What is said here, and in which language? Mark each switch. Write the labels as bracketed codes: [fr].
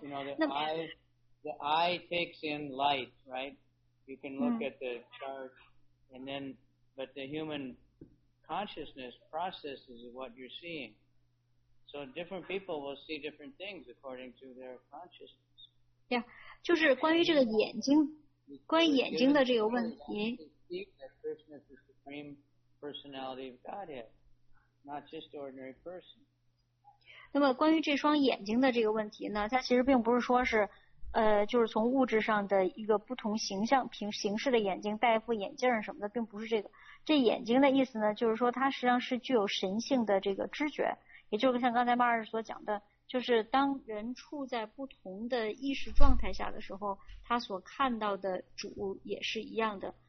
[en] You know, the eye takes in light, right? You can look at the chart, and then, but the human consciousness processes what you're seeing. So different people will see different things according to their consciousness. Yeah. [zh] 就是关于这个眼睛，关于眼睛的这个问题。 [en] Krishna is the supreme personality of Godhead, not just ordinary person. [zh] 那么关于这双眼睛的这个问题呢，它其实并不是说是就是从物质上的一个不同形象形式的眼睛戴一副眼镜什么的，并不是这个。这眼睛的意思呢，就是说它实际上是具有神性的这个知觉，也就是像刚才马尔所讲的，就是当人处在不同的意识状态下的时候，他所看到的主也是一样的。